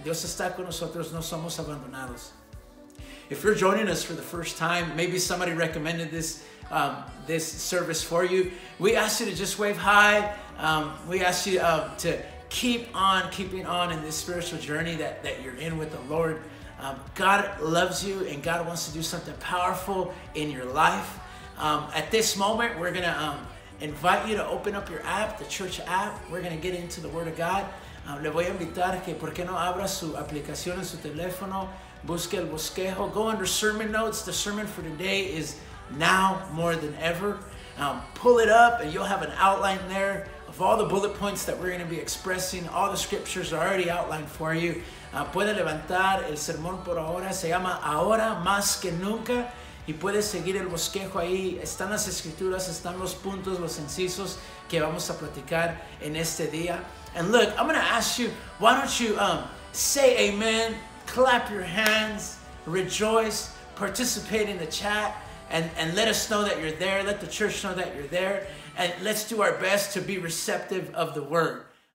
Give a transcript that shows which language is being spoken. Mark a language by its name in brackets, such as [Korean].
[Spanish] Dios está con nosotros, no somos abandonados. [English] If you're joining us for the first time, maybe somebody recommended this service for you, we ask you to just wave hi, we ask you to keep on keeping on in this spiritual journey that you're in with the Lord. God loves you and God wants to do something powerful in your life. At this moment, we're going to invite you to open up your app, the church app. We're going to get into the Word of God. [Spanish] Le voy a invitar que por qué no abra su aplicación en su teléfono, busque el bosquejo, [English] go under sermon notes. The sermon for today is now more than ever. Pull it up and you'll have an outline there of all the bullet points that we're going to be expressing. All the scriptures are already outlined for you. [Spanish] Puede levantar el sermón por ahora. Se llama Ahora Más Que Nunca. Y puede seguir el bosquejo ahí. Están las escrituras, están los puntos, los incisos que vamos a platicar en este día. [English] And look, I'm going to ask you, why don't you say amen, clap your hands, rejoice, participate in the chat, and let us know that you're there. Let the church know that you're there. And let's do our best to be receptive of the word.